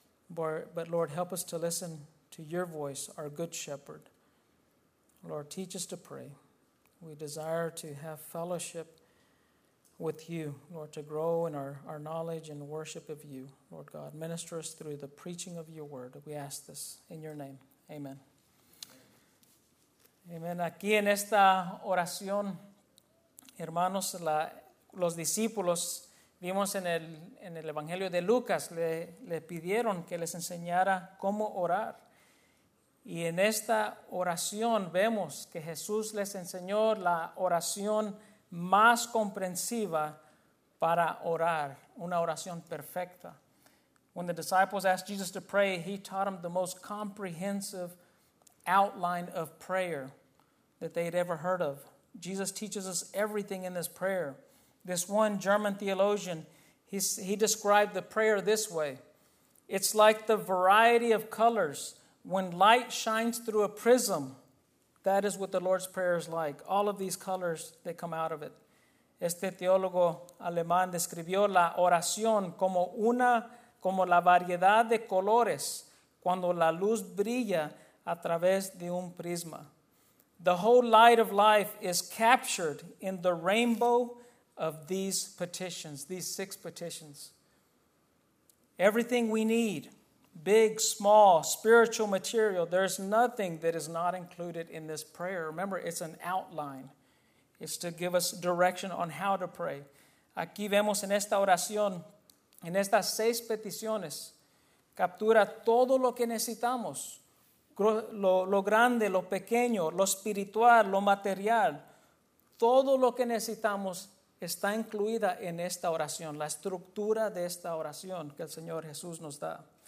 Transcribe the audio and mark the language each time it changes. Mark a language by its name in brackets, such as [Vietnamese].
[English] But Lord, help us to listen to your voice, our good shepherd. Lord, teach us to pray. We desire to have fellowship with you, Lord, to grow in our knowledge and worship of you. Lord God, minister us through the preaching of your word. We ask this in your name. Amen. Amen. [Spanish] Aquí en esta oración, hermanos, los discípulos, vimos en el Evangelio de Lucas, le pidieron que les enseñara cómo orar. Y en esta oración vemos que Jesús les enseñó la oración más comprensiva para orar, una oración perfecta. [English] When the disciples asked Jesus to pray, he taught them the most comprehensive outline of prayer that they had ever heard of. Jesus teaches us everything in this prayer. This one German theologian, He described the prayer this way. It's like the variety of colors. When light shines through a prism, that is what the Lord's Prayer is like. All of these colors, they come out of it. [Spanish] Este teólogo alemán describió la oración como una, como la variedad de colores cuando la luz brilla a través de un prisma. [English] The whole light of life is captured in the rainbow of these petitions, these six petitions. Everything we need, big, small, spiritual, material, there's nothing that is not included in this prayer. Remember, it's an outline. It's to give us direction on how to pray. [Spanish] Aquí vemos en esta oración, en estas seis peticiones, captura todo lo que necesitamos. Lo grande, lo pequeño, lo espiritual, lo material. Todo lo que necesitamos está incluida en esta oración, la estructura de esta oración que el Señor Jesús nos da.